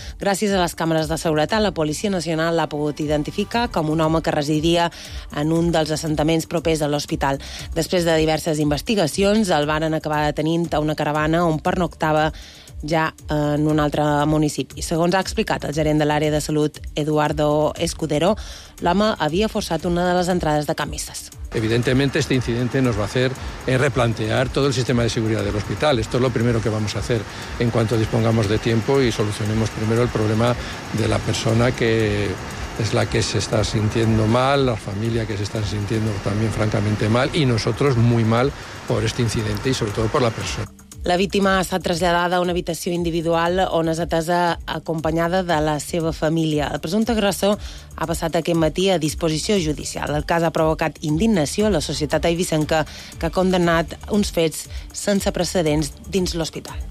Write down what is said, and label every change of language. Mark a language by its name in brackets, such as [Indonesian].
[Catalan] Gràcies a les càmeres de seguretat, la Policia Nacional l'ha pogut identificar com un home que residia en un dels assentaments propers a l'hospital. Després de diverses investigacions, el varen acabar detenint a una caravana on pernoctava ja en un altre municipi. Segons ha explicat el gerent de l'àrea de salut, Eduardo Escudero, l'home havia forçat una de les entrades de camises. [Spanish] Evidentemente, este incidente nos va a hacer replantear todo el sistema de seguridad del hospital. Esto es lo primero que vamos a hacer en cuanto dispongamos de tiempo y solucionemos primero el problema de la persona que es la que se está sintiendo mal, la familia que se está sintiendo también francamente mal y nosotros muy mal por este incidente y sobre todo por la persona. [Catalan] La víctima ha estat traslladada a una habitació individual on és atesa acompanyada de la seva família. El presumpte agressor ha passat aquest matí a disposició judicial. El cas ha provocat indignació a la societat eivissenca que ha condemnat uns fets sense precedents dins l'hospital.